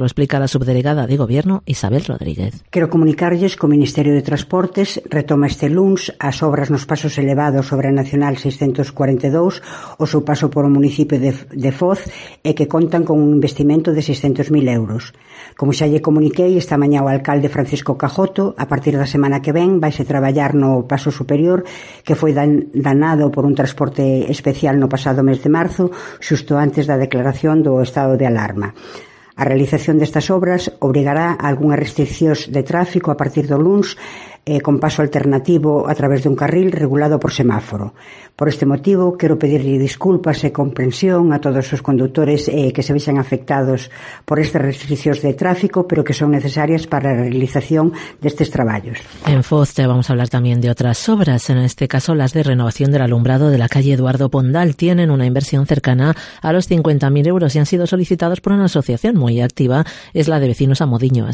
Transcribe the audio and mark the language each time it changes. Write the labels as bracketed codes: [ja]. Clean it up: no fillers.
[es] Lo explica la subdelegada de Gobierno, Isabel Rodríguez. Quiero comunicarles que el Ministerio de Transportes retoma este lunes las obras en los pasos elevados sobre la Nacional 642 o su paso por el municipio de Foz, [gl] e que contan con un investimento de 600.000 euros. Como xa lle comuniquei esta mañá o alcalde Francisco Cajoto, a partir da semana que ven vaise traballar no paso superior que foi danado por un transporte especial no pasado mes de marzo, xusto antes da declaración do estado de alarma. A realización destas obras obrigará a algunhas restriccións de tráfico a partir do lunes, con paso alternativo a través dun carril regulado por semáforo. Por este motivo, quero pedirle disculpas e comprensión a todos os condutores que se vexan afectados por estas restriccións de tráfico, pero que son necesarias para a realización destes traballos. [es] En Foz te vamos a hablar [gl] tamén de outras obras, [es] en este caso las de renovación del alumbrado de la calle Eduardo Pondal. Tienen unha inversión cercana a los 50.000 euros e han sido solicitados por unha asociación moi activa, es la de Vecinos Amodiño.